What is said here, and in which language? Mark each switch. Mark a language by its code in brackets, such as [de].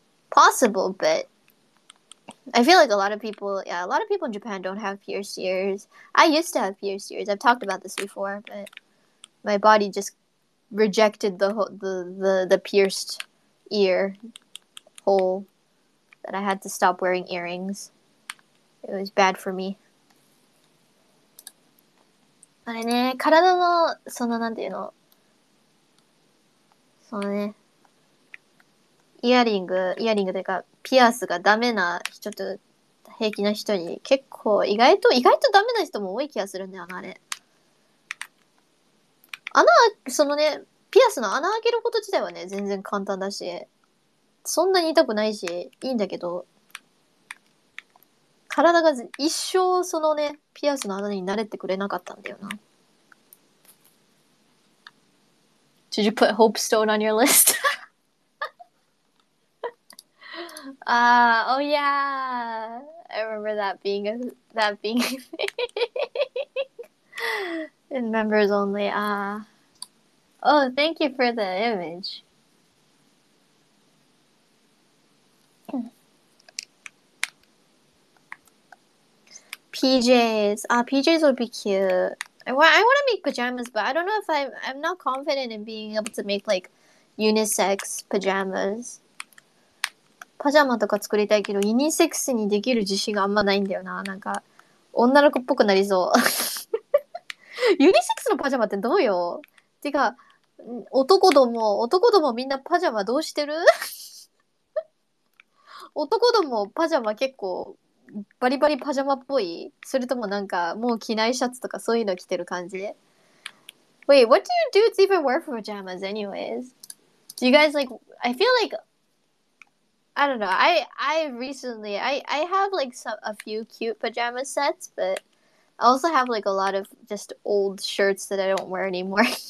[en] Possible, but I feel like a lot of people in Japan don't have pierced ears. I used to have pierced ears. I've talked about this before, but my body justrejected the pierced ear hole that I had to stop wearing earrings. It was bad for me. [ja] あれね、体のそのなんていうの、そのね、イヤリングというかピアスがダメな人と平気な人に結構意外とダメな人も多い気がするんだよな、あれ。穴、そのね、ピアスの穴開けること自体はね、全然簡単だし、そんなに痛くないし、いいんだけど、体が一生そのね、ピアスの穴に慣れてくれなかったんだよな。 [en] Did you put Hope Stone on your list? oh yeah! I remember that being a thing. In members only, Oh, thank you for the image. PJs. PJs would be cute. I want to make pajamas, but I don't know if I'm not confident in being able to make like unisex pajamas. [ja] パジャマとか作りたいけど、ユニセックスにできる自信があんまないんだよな。なんか女の子っぽくなりそう。ユニセックスのパジャマってどうよ？てか男どもみんなパジャマどうしてる？男どもパジャマ結構バリバリパジャマっぽい？それともなんかもう着ないシャツとかそういうの着てる感じ？ [en] Wait, what do you dudes even wear for pajamas anyways? Do you guys like, I feel like, I don't know, I recently have like some, a few cute pajama sets, but I also have like a lot of just old shirts that I don't wear anymore.